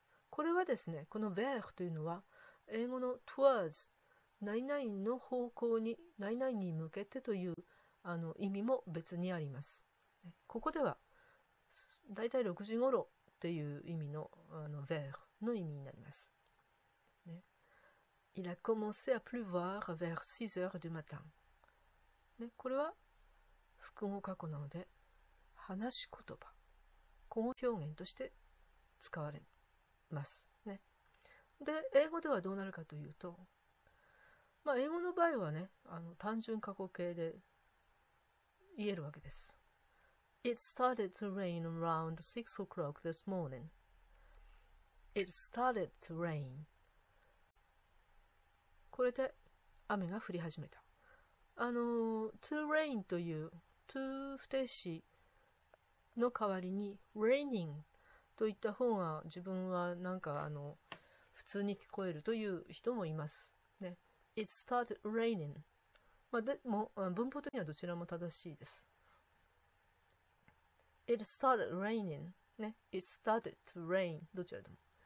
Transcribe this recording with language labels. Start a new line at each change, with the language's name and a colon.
Japanese: これはですね、この vers というのは、英語の towards、何々の方向に、何々に向けてという意味も別にあります。ここでは、だいたい6時ごろっていう意味の vers の意味になります、ね。
French: Il a commencé à pleuvoir vers 6h du matin、ね。
Japanese: これは、複合過去なので、話し言葉、口語表現として使われますね。で、英語ではどうなるかというと、まあ、英語の場合はね、単純過去形で言えるわけです。
English: It started to rain around 6 o'clock this morning. It started to rain.
Japanese: これで雨が降り始めた。to rain という to 不定詞の代わりに raining と言った方が自分はなんか普通に聞こえるという人もいますね。
English: It started raining。
Japanese: まあでも文法的にはどちらも正しいです。
English: It started raining ね。 It started to rain どちらでも。